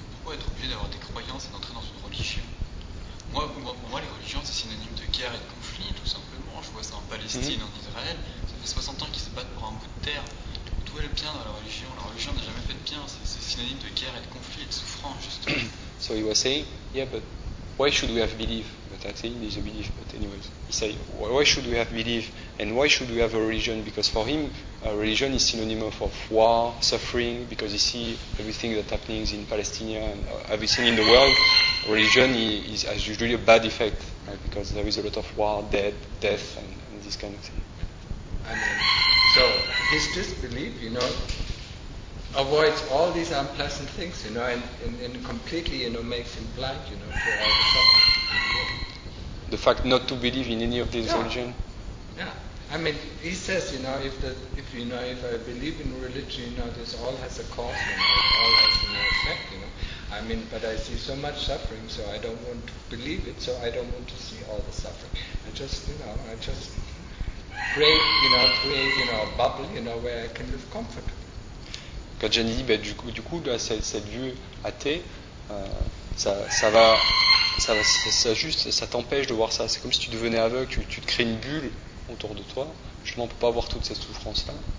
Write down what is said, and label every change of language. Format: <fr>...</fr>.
<fr>Pourquoi être obligé d'avoir des croyances et d'entrer dans une religion ? Moi, les religions, c'est synonyme de guerre et de conflit, tout simplement. Je vois ça en Palestine, en Israël. Ça fait 60 ans qu'ils se battent pour un bout de terre. D'où est le bien dans la religion ? La religion n'a jamais fait de bien. C'est synonyme de guerre et de conflit et de souffrance, justement.</fr> <en>So you were saying, yeah, but why should we have belief ? But atheism is a belief, but anyways. He said, why should we have belief? And why should we have a religion? Because for him, a religion is synonym of war, suffering, because he sees everything that happens in Palestine and everything in the world. Religion has usually a bad effect, right? Because there is a lot of war, death, and this kind of thing. I mean, so his disbelief, you know, avoids all these unpleasant things, you know, and completely, you know, makes him blind, you know, for all the suffering. The fact not to believe in any of these religions. Yeah, I mean, he says, you know, if I believe in religion, you know, this all has a cause, you know, it all has an effect, you know. I mean, but I see so much suffering, so I don't want to believe it, so I don't want to see all the suffering. I just, you know, I just create a bubble, you know, where I can live comfortably.</en> <fr>Quand Jenny dit, ben, du coup, cette vue athée, ça va. Ça t'empêche de voir ça. C'est comme si tu devenais aveugle, tu te crées une bulle autour de toi, justement pour pas voir toute cette souffrance-là.</fr>